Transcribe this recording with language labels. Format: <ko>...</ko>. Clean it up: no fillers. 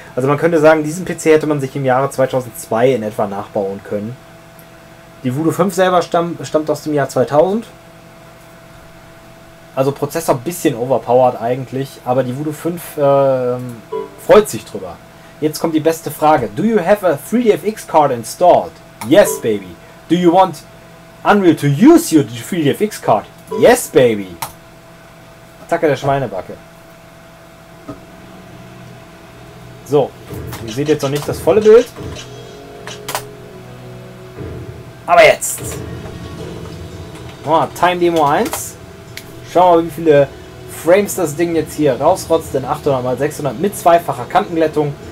<de>Also man könnte sagen, diesen PC hätte man sich im Jahre 2002 in etwa nachbauen können. Die Voodoo 5 selber stammt aus dem Jahr 2000. Also Prozessor ein bisschen overpowered eigentlich, aber die Voodoo 5 freut sich drüber. Jetzt kommt die beste Frage.</de> <en>Do you have a 3DFX card installed? Yes, baby. Do you want Unreal to use your 3DFX card? Yes, baby.</en> <de>Zacke der Schweinebacke. So, ihr seht jetzt noch nicht das volle Bild. Aber jetzt! Oh, Time Demo 1. Schauen wir mal, wie viele Frames das Ding jetzt hier rausrotzt in 800x600 mit zweifacher Kantenglättung.</de>